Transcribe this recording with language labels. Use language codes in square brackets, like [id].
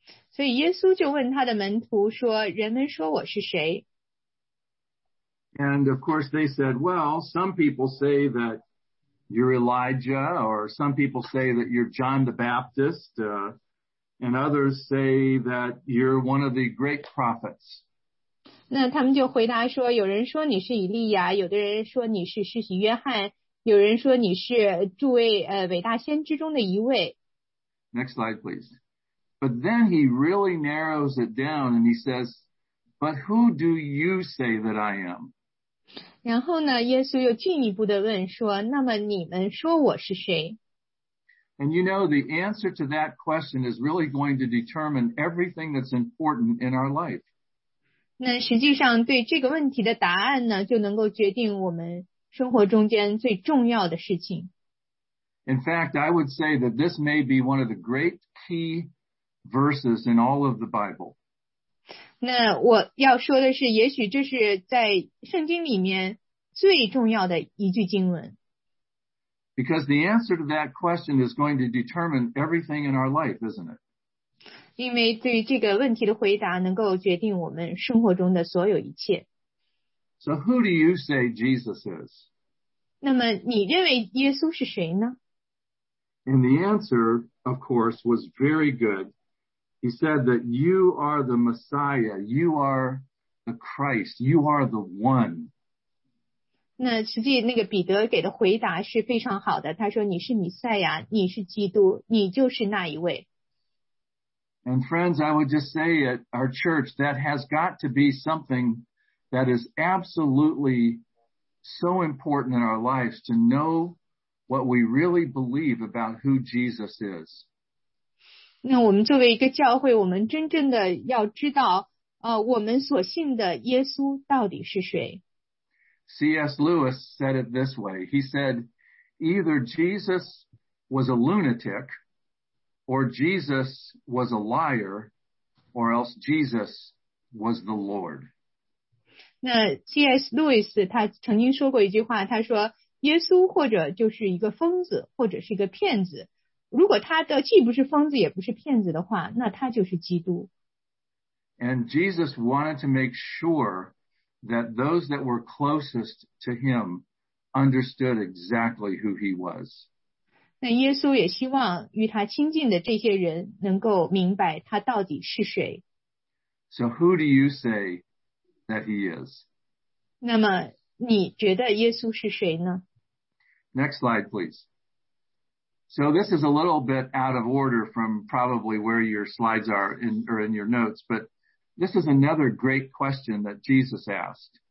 [zh] 所以耶稣就问他的门徒说，人们说我是谁？ [en] And of course they said, well, some people say that you're Elijah, or some people say that you're John the Baptist, and others say that you're one of the great prophets. [zh] 那他们就回答说，有人说你是以利亚，有的人说你是施洗约翰，有人说你是诸位伟大先知中的一位。 [en] Next slide, please. But then he really narrows it down and he says, but who do you say that I am? [zh] 然后呢，耶稣又进一步的问说，那么你们说我是谁？ [en] And you know, the answer to that question is really going to determine everything that's important in our life. [zh] 那实际上对这个问题的答案呢，就能够决定我们生活中间最重要的事情。 [en] In fact, I would say that this may be one of the great key verses in all of the Bible. [zh] 那我要说的是，也许这是在圣经里面最重要的一句经文。 [en] Because the answer to that question is going to determine everything in our life, isn't it? [zh] 因为对于这个问题的回答能够决定我们生活中的所有一切。 [en] So who do you say Jesus is? [zh] 那么你认为耶稣是谁呢? [en] And the answer, of course, was very good. He said that you are the Messiah, you are the Christ, you are the one. [zh] 那实际那个彼得给的回答是非常好的，他说你是弥赛亚，你是基督，你就是那一位。 [en] And friends, I would just say at our church, that has got to be something that is absolutely so important in our lives to know what we really believe about who Jesus is. [zh] 那我们作为一个教会，我们真正的要知道，我们所信的耶稣到底是谁。 [en] C.S. Lewis said it this way. He said, either Jesus was a lunatic, or Jesus was a liar, or else Jesus was the Lord. [zh] 那 C.S. Lewis 他曾经说过一句话，他说耶稣或者就是一个疯子，或者是一个骗子。如果他的既不是疯子也不是骗子的话，那他就是基督。 [en] And Jesus wanted to make sure that those that were closest to him understood exactly who he was. [zh] 那耶稣也希望与他亲近的这些人能够明白他到底是谁。 [en] So who do you say that he is? [zh] 那么你觉得耶稣是谁呢？ [en] Next slide, please. So this is a little bit out of order from probably where your slides are in, or in your notes, but this is another great question that Jesus asked.